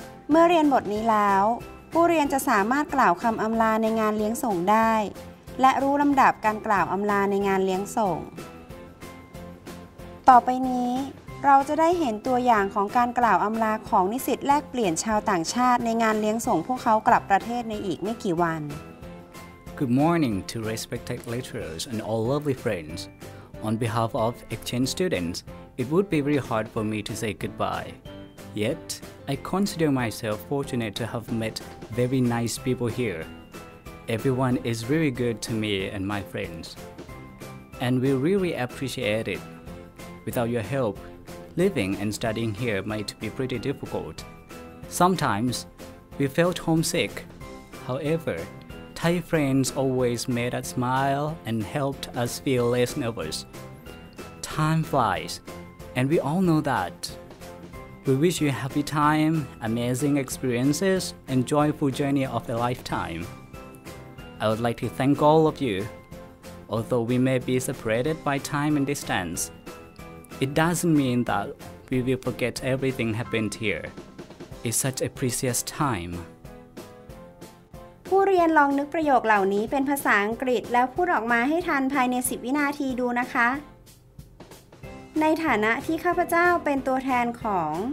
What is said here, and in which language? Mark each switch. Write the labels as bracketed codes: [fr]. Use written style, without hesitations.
[th] เมื่อเรียนบทนี้แล้วผู้เรียนจะสามารถกล่าวคำอำลาในงานเลี้ยงส่งได้และรู้ลำดับการกล่าวอำลาในงานเลี้ยงส่งต่อไปนี้เราจะได้เห็นตัวอย่างของการกล่าวอำลาของนิสิตแลกเปลี่ยนชาวต่างชาติในงานเลี้ยงส่งพวกเขากลับประเทศในอีกไม่กี่วัน [en] Good morning to respected lecturers and all lovely friends. On behalf of exchange students, it would be very hard for me to say goodbye. Yet, I consider myself fortunate to have met very nice people here. Everyone is really good to me and my friends. And we really appreciate it. Without your help,Living and studying here might be pretty difficult. Sometimes, we felt homesick. However, Thai friends always made us smile and helped us feel less nervous. Time flies, and we all know that. We wish you a happy time, amazing experiences, and joyful journey of a lifetime. I would like to thank all of you. Although we may be separated by time and distance,It doesn't mean that we will forget everything happened here. It's such a precious time. [th] ผู้เรียนลองนึกประโยคเหล่านี้เป็นภาษาอังกฤษแล้วพูดออกมาให้ทันภายใน10วินาทีดูนะคะในฐานะที่ข้าพเจ้าเป็นตัวแทนของ